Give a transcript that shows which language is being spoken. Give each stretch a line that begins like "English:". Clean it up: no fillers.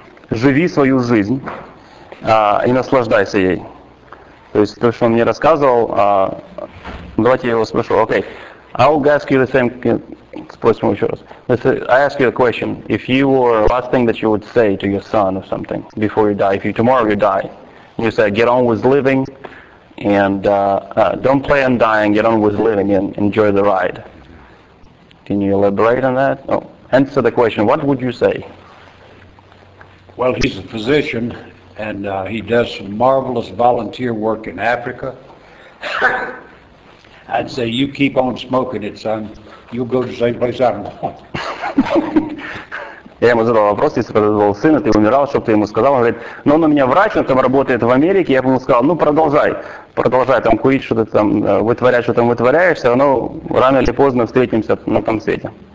Russian: Живи свою жизнь и наслаждайся ей. То есть то, что он мне рассказывал, давайте я его спрошу.
English: Окей. I'll ask you the same.
Russian: Спросим еще раз.
English: I ask you a question. If you were last thing that you would say to your son or something before you die, if you tomorrow you die, you say, get on with living, and don't plan dying. Get on with living and enjoy the ride. Can you elaborate on that? No. Answer the question. What would you say? Well, he's a physician, and he does some marvelous volunteer work in Africa. I'd say, you keep on smoking it, son. You'll go to the same place I'm going.
Russian: Я ему задал вопрос, если бы это был сын, ты умирал, что бы ты ему сказал? Он говорит, ну он у меня врач, он там работает в Америке. Я бы ему сказал, ну продолжай, продолжай там курить, что-то там вытворять, что там вытворяешь, все равно рано или поздно встретимся на том свете.